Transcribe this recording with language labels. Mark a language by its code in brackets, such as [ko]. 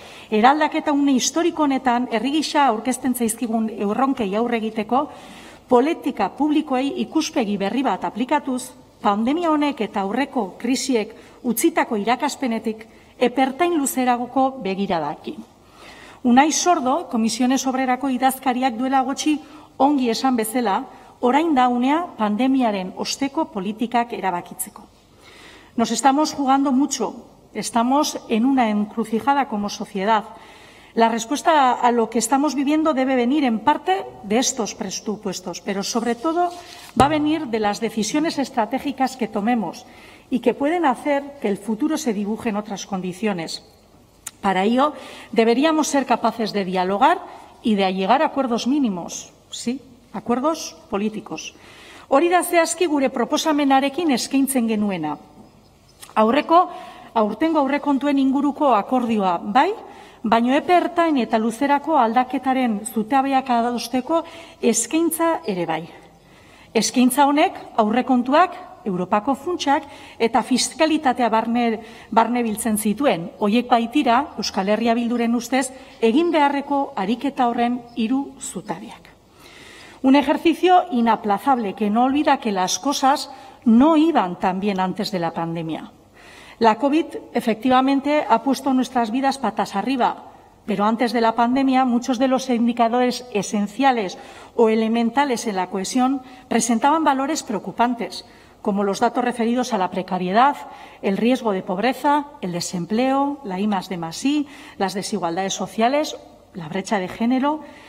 [eu] Eraldaketa une historiko honetan, herri gisa aurkezten zaizkigun erronkei aurre egiteko, politika publikoei ikuspegi berri bat aplikatuz, pandemia honek eta aurreko krisiek utzitako irakaspenetik epertain luzeragoko begiradakin. Unai Sordo, Komisiones Obrerako idazkariak duela gotxi ongi esan bezala, orain da unea pandemiaren osteko politikak erabakitzeko. [es] Nos estamos jugando mucho, estamos en una encrucijada como sociedad. La respuesta a lo que estamos viviendo debe venir en parte de estos presupuestos, pero sobre todo va a venir de las decisiones estratégicas que tomemos y que pueden hacer que el futuro se dibuje en otras condiciones. Para ello, deberíamos ser capaces de dialogar y de llegar a acuerdos mínimos, sí, acuerdos políticos. [eu] Hori da zehazki gure proposamenarekin eskaintzen genuena. Aurtengo aurrekontuen inguruko akordioa, bai? Baino epe ertain eta luzerako aldaketaren zutabeak adosteko eskaintza ere bai. Eskaintza honek aurrekontuak, Europako funtsak eta fiskalitatea barne biltzen zituen, hoiek baitira Euskal Herria Bilduren ustez egin beharreko ariketa horren hiru zutabeak. [es] Un ejercicio inaplazable que no olvida que las cosas no iban tan bien antes de la pandemia. La COVID efectivamente ha puesto nuestras vidas patas arriba, pero antes de la pandemia muchos de los indicadores esenciales o elementales en la cohesión presentaban valores preocupantes, como los datos referidos a la precariedad, el riesgo de pobreza, el desempleo, la I+D+I, las desigualdades sociales, la brecha de género,